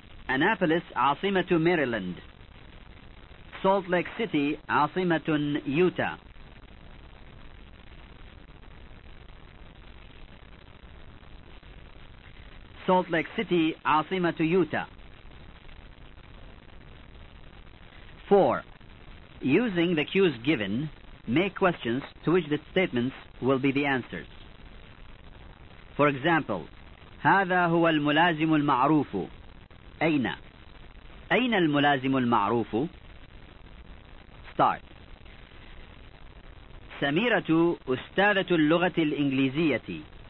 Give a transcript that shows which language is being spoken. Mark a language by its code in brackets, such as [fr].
[ar] أنابوليس عاصمة ماريلاند. سولت ليك سيتي عاصمة يوتا. سولت ليك سيتي عاصمة يوتا. [en] 4. Using the cues given, make questions to which the statements will be the answers. For example, [ar] هذا هو الملازم المعروف. أين؟ أين الملازم المعروف؟ [en] Start. [ar] سميرة أستاذة اللغة الإنجليزية.